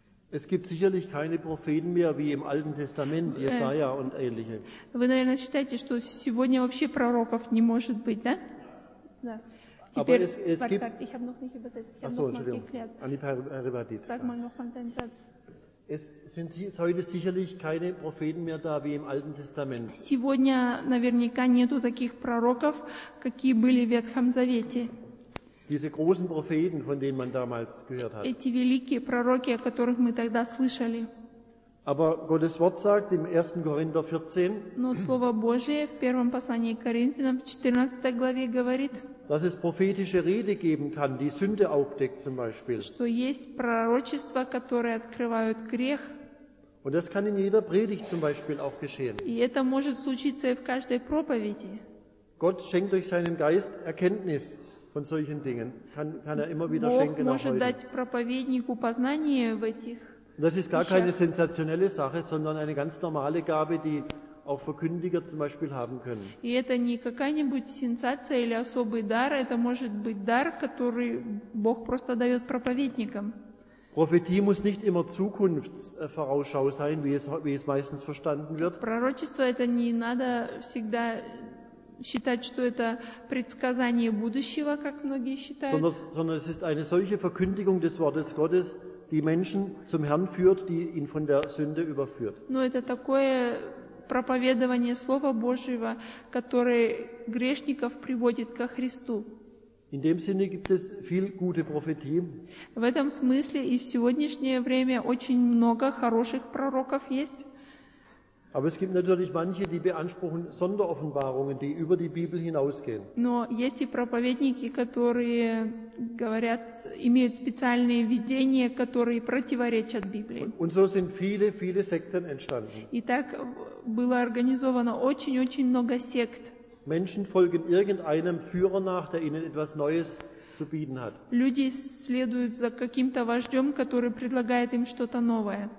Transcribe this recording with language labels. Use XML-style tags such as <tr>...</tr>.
<de>Es gibt sicherlich keine Propheten mehr wie im Alten Testament, Jesaja und ähnliche.</de> <ru>Вы, наверное, считаете, что сегодня вообще пророков не может быть, да? Да.</ru> <de>Aber es gibt. Ich habe noch nicht übersetzt. Ich habe noch mal geklärt. Sag mal noch mal deinen Satz. Es sind heute sicherlich keine Propheten mehr da wie im Alten Testament.</de> <ru>Сегодня наверняка нету таких пророков, какие были в Ветхом Завете.</ru> <de>Diese großen Propheten, von denen man damals gehört hat.</de> <ru>Эти великие пророки, о которых мы тогда слышали.</ru> <de>Aber Gottes Wort sagt im 1. Korinther 14.</de> <ru>Но слово Божие в первом послании Коринфянам в 14 главе говорит.</ru> <de>Dass es prophetische Rede geben kann, die Sünde aufdeckt zum Beispiel.</de> <ru>Что есть пророчества, которые открывают грех.</ru> <de>Und das kann in jeder Predigt zum Beispiel auch geschehen.</de> <ru>И это может случиться в каждой проповеди.</ru> <de>Gott schenkt durch seinen Geist Erkenntnis von solchen Dingen. Kann er immer wieder schenken auch heute.</de> <ru>Бог может дать проповеднику познание в этих.</ru> <de>Das ist gar keine sensationelle Sache, sondern eine ganz normale Gabe, die auch Verkündiger zum Beispiel haben können.</de> <ru>И это не какая-нибудь сенсация или особый дар, это может быть дар, который Бог просто дает проповедникам.</ru> <de>Prophetie muss nicht immer Zukunftsvorausschau sein, wie es meistens verstanden wird.</de> <ru>Пророчество это не надо всегда считать, что это предсказание будущего, как многие считают.</ru> <de>Sondern es ist eine solche Verkündigung des Wortes Gottes, die Menschen zum Herrn führt, die ihn von der Sünde überführt.</de> <ru>Но это такое проповедование Слова Божьего, которое грешников приводит ко Христу.</ru> <de>In dem Sinne gibt es viel gute Prophetie.</de> <ru>В этом смысле и в сегодняшнее время очень много хороших пророков есть.</ru> <de>Aber es gibt natürlich manche, die beanspruchen Sonderoffenbarungen, die über die Bibel hinausgehen.</de> <ru>Но есть и проповедники, которые говорят, имеют специальные видения, которые противоречат Библии.</ru> <de>Und so sind viele, viele Sekten entstanden.</de> <ru>И так было организовано очень-очень много сект.</ru> <de>Menschen folgen irgendeinem Führer nach, der ihnen etwas Neues zu bieten hat.</de> <ru>Люди следуют за каким-то вождем, который предлагает им что-то новое.</ru>